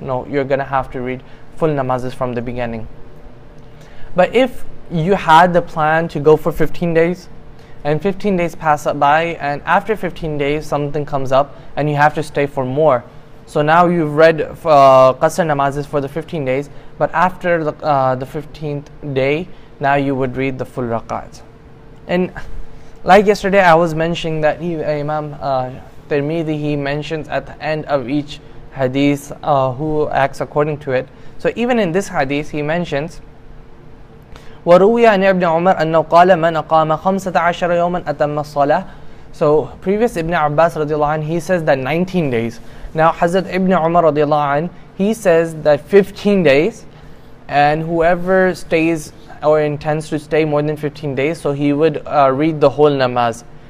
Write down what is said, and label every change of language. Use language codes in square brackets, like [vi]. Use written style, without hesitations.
[en] No, you're going to have to read full namazes from the beginning. But if you had the plan to go for 15 days and 15 days pass by, and after 15 days something comes up and you have to stay for more, so now you've read Qasr namazes for the 15 days, but after the 15th day, now you would read the full rak'ahs. And like yesterday, I was mentioning that Imam Tirmidhi, he mentions at the end of each hadith who acts according to it. [ar] So even in this hadith, he mentions, وَرُوِيَ عَنِ ابْنِ عُمَرَ أَنَّهُ قَالَ مَنْ أَقَامَ 15 يَوْمًا أَتَمَّ الصَّلَةَ. [en] So previous Ibn Abbas radiallahu anhu, he says that 19 days. Now Hazrat Ibn Umar radiallahu anhu, he says that 15 days, and whoever stays or intends to stay more than 15 days, so he would read the whole namaz.